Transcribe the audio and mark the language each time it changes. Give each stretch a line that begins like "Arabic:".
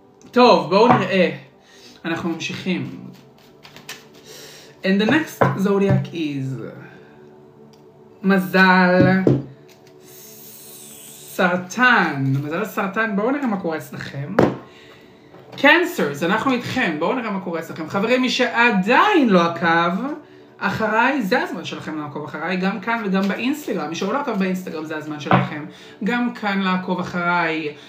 Hebrew: טוב, בואו נראה, אנחנו ממשיכים.
English: And the next zodiac is מזל סרטן.
Hebrew: מזל סרטן, בואו נראה מה קורה אצלכם. Cancers, אנחנו איתכם, בואו נראה מה קורה אצלכם. חברים, מי שעדיין לא עקב אחריי, זה הזמן שלכם לעקוב אחריי, גם כאן וגם באינסטגרם. מי שעולה עקב באינסטגרם, זה הזמן שלכם. גם כאן לעקוב אחריי.